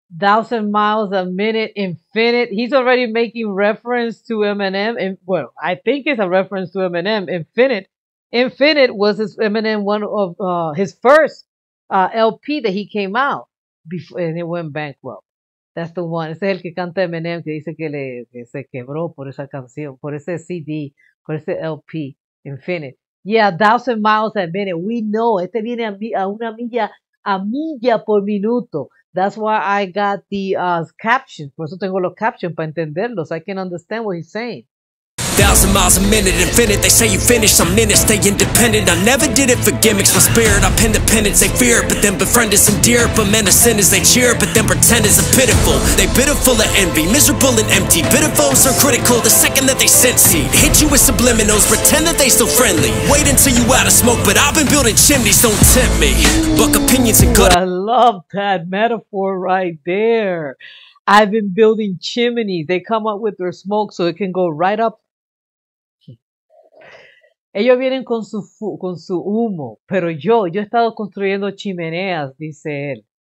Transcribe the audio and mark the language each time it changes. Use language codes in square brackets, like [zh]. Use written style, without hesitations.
[en] 1,000 miles a minute, infinite. He's already making reference to Eminem. Well, I think it's a reference to Eminem. Infinite. Infinite was his Eminem, one of his first LP that he came out before, and it went bankrupt. That's the one. [es] Ese es el que canta Eminem, que dice que, que se quebró por esa canción, por ese CD, por ese LP, Infinite. [en] Yeah, 1,000 miles a minute. We know. [es] Este viene a una milla por minuto. [en] That's why I got the captions. [es] Por eso tengo los captions, para entenderlos. [en] So I can understand what he's saying. 1,000 miles a minute, infinite. They say you finish some minutes, stay independent. I never did it for gimmicks, my spirit. I pin the penance, they fear it, but then befriend it, some dear. But men are sinners, they cheer it, but then pretend it's a pitiful. They bitter full of envy, miserable and empty. Bitter foes are critical the second that they sense heat. Hit you with subliminals, pretend that they still friendly. Wait until you out of smoke, but I've been building chimneys, don't tempt me. Buck opinions and good. I love that metaphor right there. I've been building chimneys. They come up with their smoke so it can go right up. [es] Ellos vienen con su humo, pero yo he estado construyendo chimeneas, dice él.